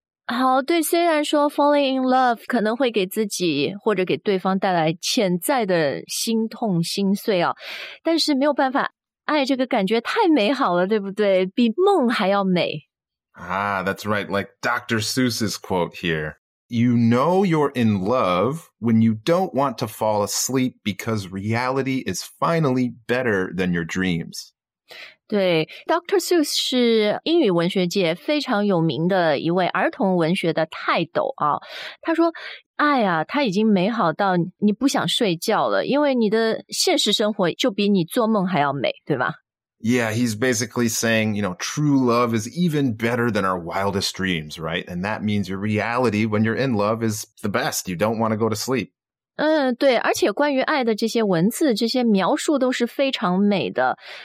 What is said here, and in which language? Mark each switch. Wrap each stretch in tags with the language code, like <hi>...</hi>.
<zh>好，对，虽然说</zh> <en>falling in love</en> <zh>可能会给自己或者给对方带来潜在的心痛心碎啊，但是没有办法，爱这个感觉太美好了，对不对？比梦还要美。Ah,</zh> <en>that's right. Like Dr. Seuss's quote here: "You know you're in love when you don't want to fall asleep because reality is finally better than your dreams."</en> <zh>对 ，Dr. Seuss 是英语文学界非常有名的一位儿童文学的泰斗啊。他说：“爱啊，它已经美好到你不想睡觉了，因为你的现实生活就比你做梦还要美，对吧？”</zh> <en>Yeah, he's basically saying, you know, true love is even better than our wildest dreams, right? And that means your reality when you're in love is the best. You don't want to go to sleep.</en> <zh>对，而且关于爱的这些文字、这些描述都是非常美的。</zh>